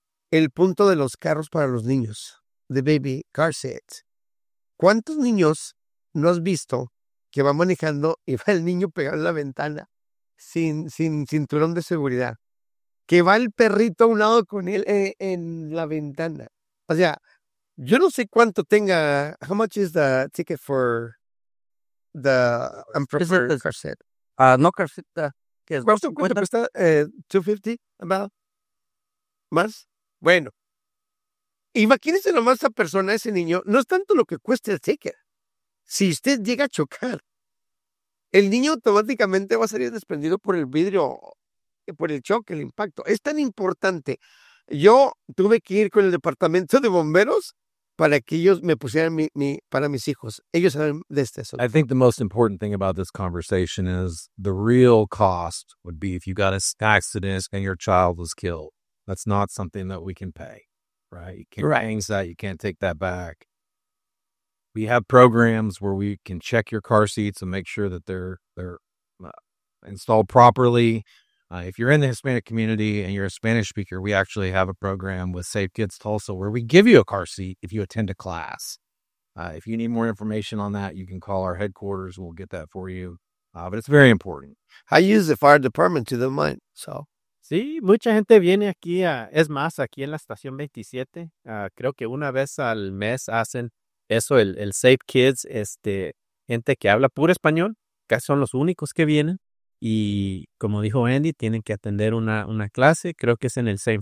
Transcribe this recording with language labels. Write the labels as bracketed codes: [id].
[es] El punto de los carros para los niños. [en] The baby car seat. [es] ¿Cuántos niños no has visto que van manejando y va el niño pegado en la ventana sin cinturón de seguridad? Que va el perrito a un lado con él en la ventana. O sea, yo no sé cuánto tenga. [en] How much is the ticket for the unproper car seat? No car seat. [es] ¿Cuánto cuesta? $250, about. ¿Más? Bueno. Imagínese nomás a esa persona, a ese niño. No es tanto lo que cueste el ticket. Si usted llega a chocar, el niño automáticamente va a salir desprendido por el vidrio, por el choque, el impacto. Es tan importante. Yo tuve que ir con el departamento de bomberos para que ellos me pusieran para mis hijos. Ellos saben de este asunto. [en] I think the most important thing about this conversation is the real cost would be if you got an accident and your child was killed. That's not something that we can pay. right? You can't change that. You can't take that back. We have programs where we can check your car seats and make sure that they're installed properly. If you're in the Hispanic community and you're a Spanish speaker, we actually have a program with Safe Kids Tulsa where we give you a car seat if you attend a class. If you need more information on that, you can call our headquarters. We'll get that for you. But it's very important. I use the fire department to the month, so. [es] Sí, mucha gente viene aquí, es más, aquí en la estación 27. Creo que una vez al mes hacen eso, el Safe Kids, gente que habla puro español, casi son los únicos que vienen. Y como dijo Andy, tienen que atender una clase, creo que es en el St.